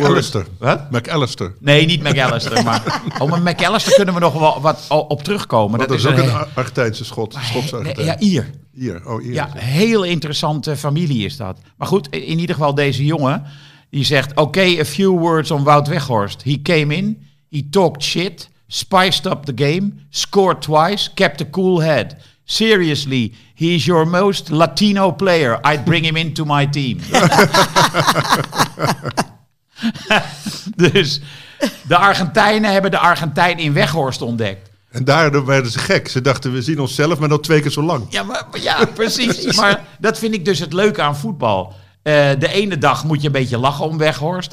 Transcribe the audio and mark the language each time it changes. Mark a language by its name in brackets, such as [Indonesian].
[Dutch] McAllister. Wat? McAllister. Nee, niet McAllister. Maar over McAllister kunnen we nog wel wat op terugkomen. Dat is ook een Argentijnse schot. Schotse Argentijn. Ja, Ier. Ier. Oh, Ier. Ja, heel interessante familie is dat. Maar goed, in ieder geval deze jongen. Die zegt, oké, [English] a few words on Wout Weghorst. He came in, he talked shit, spiced up the game, scored twice, kept a cool head. Seriously, he is your most Latino player. I'd bring him into my team. [Dutch] Dus de Argentijnen hebben de Argentijn in Weghorst ontdekt. En daardoor werden ze gek. Ze dachten, we zien onszelf, maar nog twee keer zo lang. Ja, precies. Maar dat vind ik dus het leuke aan voetbal. De ene dag moet je een beetje lachen om Weghorst.